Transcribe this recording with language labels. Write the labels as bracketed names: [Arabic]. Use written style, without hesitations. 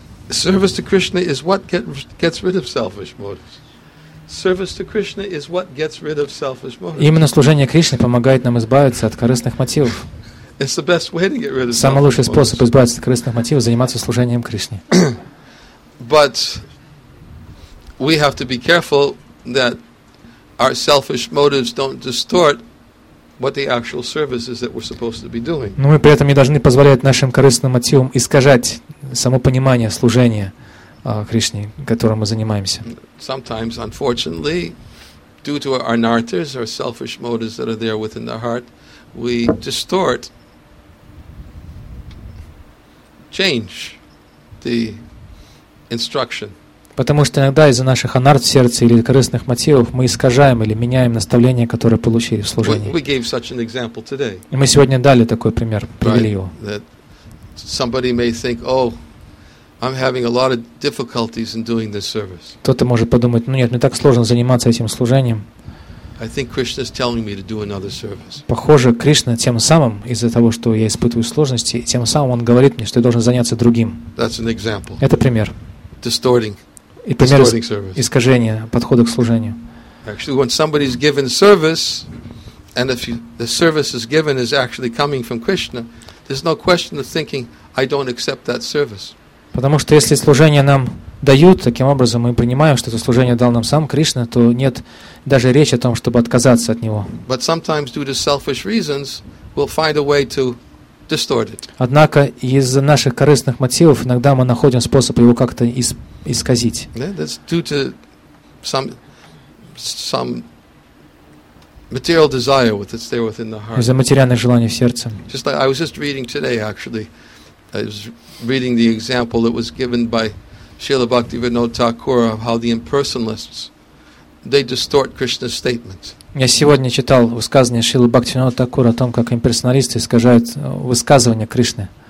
[English] Service to Krishna is what gets rid of selfish motives. Service to Krishna is what gets rid of selfish motives. [Russian] Именно служение Кришне помогает нам избавиться от корыстных мотивов. [English] It's the best way to get rid of selfish motives. [Russian] Самый лучший способ избавиться от корыстных мотивов – заниматься служением Кришне. [English] But we have to be careful that our selfish motives don't distort what the actual service is that we're supposed to be doing. [Russian] Но мы при этом не должны позволять нашим корыстным мотивам искажать само понимание служения Кришне, которым мы занимаемся. [English] Sometimes, unfortunately, due to our anarthas, our selfish motives that are there within the heart, we distort change the instruction. [Russian] Потому что иногда из-за наших анарт в сердце или корыстных мотивов мы искажаем или меняем наставление, которое получили в служении. [English] We gave such an example today. [Russian] И мы сегодня дали такой пример, привели его. [English] That somebody may think, oh, I'm having a lot of difficulties in doing this service. [Russian] Кто-то может подумать, ну нет, мне так сложно заниматься этим служением. [English] I think Krishna's telling me to do another service. [Russian] Похоже, Кришна тем самым, из-за того, что я испытываю сложности, тем самым он говорит мне, что я должен заняться другим. [English] That's an example. [Russian] Это пример. [English] Distorting. [Russian] И пример искажения подхода к служению. [English] Actually, when somebody's given service, and if the service is given is actually coming from Krishna, there's no question of thinking, I don't accept that service. [Russian] Потому что если служение нам дают, таким образом мы понимаем, что это служение дал нам сам Кришна, то нет даже речи о том, чтобы отказаться от него. [English] But sometimes, due to selfish reasons, we'll find a way to distort it. [Russian] Однако из-за наших корыстных мотивов иногда мы находим способ его как-то исказить. [English] Yeah, that's due to some material desire that's there within the heart. [Russian] Из-за материальных желаний в сердце. [English] Just like I was just reading today, actually, I was reading the example that was given by Srila Bhaktivinoda Thakur of how the impersonalists they distort Krishna's statements. [Russian] Я сегодня читал высказывание Шрилы Бхактивинода Такура о том, как имперсоналисты искажают высказывания Кришны.